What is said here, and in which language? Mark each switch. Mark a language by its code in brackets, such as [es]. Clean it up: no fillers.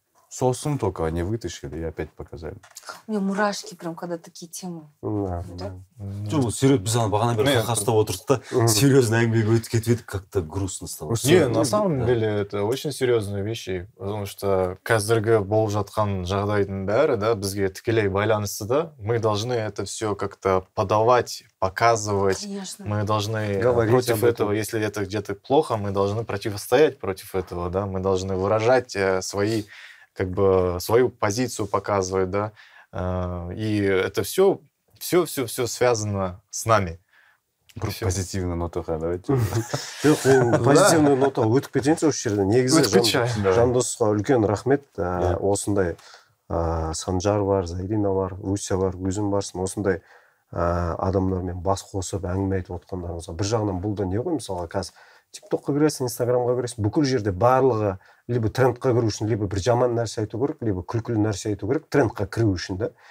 [ru] Сосын только они вытащили и опять показали. У меня мурашки прям, когда такие темы. Да? Ну, серьезно, без этого, [kk] бағана бері қақастап отырды да, [ru] серьезно, әңгіме өтіп кетеді, как-то грустно стало. Не, на самом деле, это очень серьезные вещи, потому что [kk] қазіргі болып жатқан жағдайдың бәрі, да, бізге тікелей байланысты да, [ru] мы должны это все как-то подавать, показывать. Конечно. Мы должны против этого, если это где-то плохо, мы должны противостоять против этого, да, мы должны выражать свои... как бы свою позицию показывает, да, и это все, все связано с нами. Позитивная нота, давайте. [kk] Жоқ, ол [ru] позитивная нота, [kk] өтіп кетейінші осы жерде. Негізі жандосқа үлкен рахмет, осындай Санжар бар, Зайрина бар, Руся бар, өзім барсын, осындай адамдармен бас қосып, әңгіме айтып отқандарыңызға. Бір жағынан бұл да не ғой, мысалы, қазір TikTok-қа кіресің, Instagram-қа кіресің, бүкіл жерде барлығы либо трендқа кіру үшін, либо бір жаман нәрсе айту керек, либо күлкілі нәрсе айту керек, трендқа кіру үшін да.